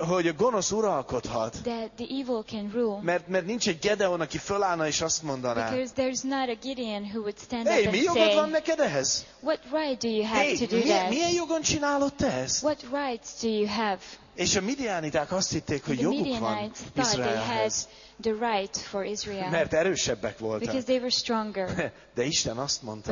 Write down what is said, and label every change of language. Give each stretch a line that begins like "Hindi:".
Hungarian: Hogy a gonosz uralkodhat.
English: That the evil can rule.
Hungarian: Mert nincs egy Gedeon, aki fölállna és azt mondaná.
English: Because there's not a Gideon who would stand up and say.
Hungarian: Mi jogod van neked ehhez?
English: What right do you have to do that?
Hungarian: Milyen jogon csinálod te ezt?
English: What rights do you have?
Hungarian: És a midianiták azt hitték, hogy joguk van Izraelhez.
English: The right for Israel.
Hungarian: Mert erősebbek voltak.
English: Because they were stronger.
Hungarian: De Isten azt mondta.